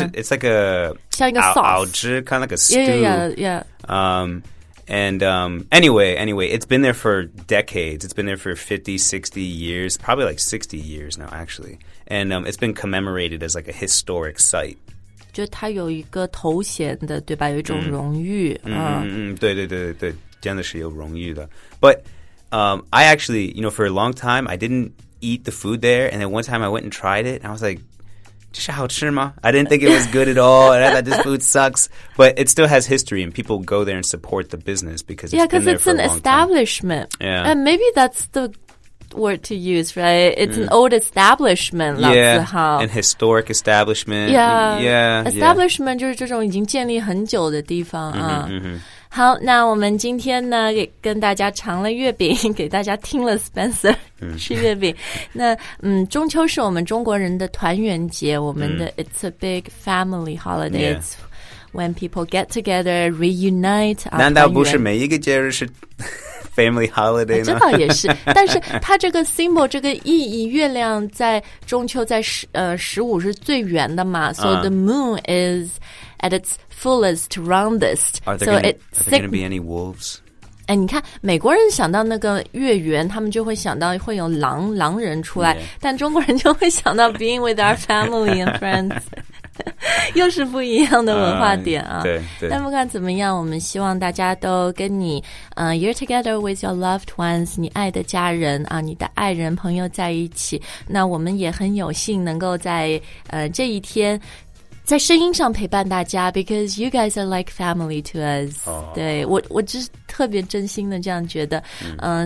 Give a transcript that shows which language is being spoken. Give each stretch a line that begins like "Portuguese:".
English: just, it's like a...
Chinese: 像一个 sauce. 熬汁
English: kind of like a stew. Yeah. Anyway, it's been there for decades. It's been there for 50, 60 years, probably like 60 years now, actually. And it's been commemorated as like a historic site.
Chinese: 就它有一个头衔的对吧有一种荣誉。对对对对真的是有荣誉的。
English: But I actually, you know, for a long time, I didn't eat the food there. And then one time I went and tried it and I was like,
Chinese: 就是好吃吗
English: I didn't think it was good at all. And I thought this food sucks. But it still has history. And people go there and support the business because it's been there for a long time. Yeah, because it's an establishment. Yeah. And maybe that's the word to use, right? It's an old establishment. Yeah, an historic establishment.
Chinese: Yeah. Establishment 就是这种已经建立很久的地方啊。好那我们今天呢给跟大家尝了月饼给大家听了 Spencer 吃月饼。那中秋是我们中国人的团圆节我们的
English: It's a big family holiday.、 Yeah. It's when people get together, reunite.
Chinese: 难道不是每一个节日是
English: family holiday
Chinese: 呢、这倒也是。但是它这个 symbol, 这个意义月亮在中秋在十五是最圆的嘛。
English: So the moon is at its,fullest, roundest. Are there going to be any wolves?
Chinese: 哎，你看，美国人想到那个月圆，他们就会想到会有狼人出来，
English: yeah.
Chinese: 但中国人就会想到
English: being with our family and friends.
Chinese: 又是不一样的文化点啊。对。但不管怎么样，我们希望大家都跟你，
English: you're together with your loved ones,
Chinese: 你爱的家人啊，你的爱人朋友在一起。那我们也很有幸能够在这一天。在声音上陪伴大家
English: because you guys are like family to us、
Chinese: oh. 对 我就是特别真心的这样觉得、mm.